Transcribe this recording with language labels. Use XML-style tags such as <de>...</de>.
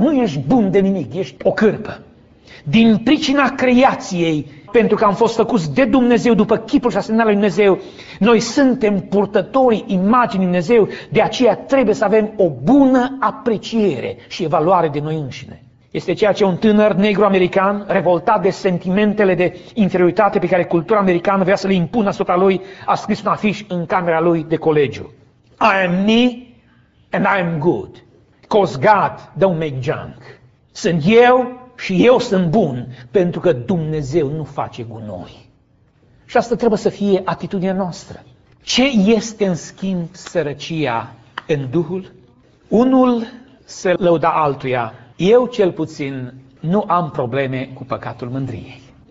<ro>Nu ești bun de nimic, ești o cârpă. Din pricina creației, pentru că am fost făcuți de Dumnezeu, după chipul și asemenea lui Dumnezeu, noi suntem purtătorii imaginii Dumnezeu, de aceea trebuie să avem o bună apreciere și evaluare de noi înșine. Este ceea ce un tânăr negru american, revoltat de sentimentele de inferioritate pe care cultura americană vrea să le impună asupra lui, a scris un afiș în camera lui de colegiu.</ro> <en>I am me, and I am good, because God don't make junk.</en> <ro>Sunt eu și eu sunt bun, pentru că Dumnezeu nu face gunoi. Și asta trebuie să fie atitudinea noastră. Ce este în schimb sărăcia în Duhul? Unul se lăuda altuia. Eu cel puțin nu am probleme cu păcatul mândriei.</ro>